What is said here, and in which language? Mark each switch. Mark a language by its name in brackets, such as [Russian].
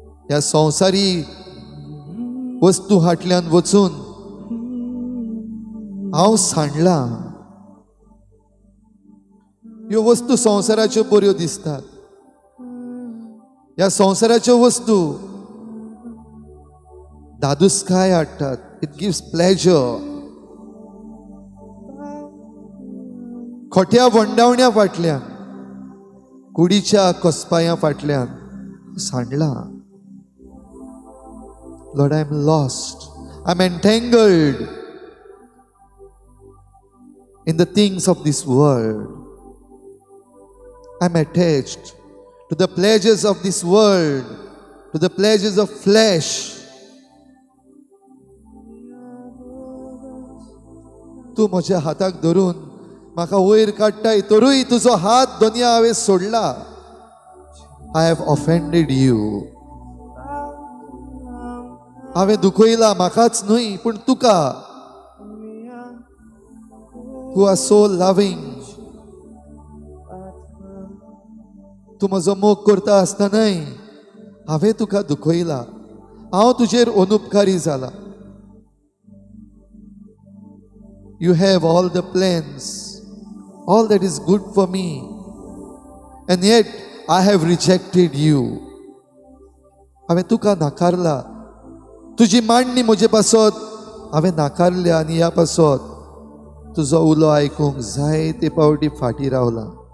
[Goan Konkani] ह्या संवसारी वस्तू हाटल्यान वचून हांव सांडला. ह्यो वस्तू संवसाराच्यो बऱ्यो दिसतात, ह्या संवसाराच्यो वस्तू दादुसकाय हाडटात. [English] It gives pleasure. [Goan Konkani] खोट्या वंडावण्या फाटल्यान, कुडीच्या कसपाया फाटल्यान सांडला. [English] Lord, I am lost, I am entangled in the things of this world. I am attached to the pleasures of this world, to the pleasures of flesh. [Goan Konkani] तू म्हज्या हाताक धरून म्हाका वयर काडटा, तरूय तुजो हात दोनिया हांवें सोडला. [English] I have offended you. [Goan Konkani] हांवें दुखयला म्हाकाच न्हय, पूण तुका. तू [English] Are so loving. [Goan Konkani] तूं म्हजो मोग करता आसतनाय हांवें तुका दुखयला. हांव तुजेर अनुपकारी जाला. [English] You have all the plans, all that is good for me, and yet I have rejected you. [Goan Konkani] ave tuka nakarla, tuji manni mujhe pasot ave nakarle, ani ya pasot tujo ulo aikung jay te pavdi phati ravla.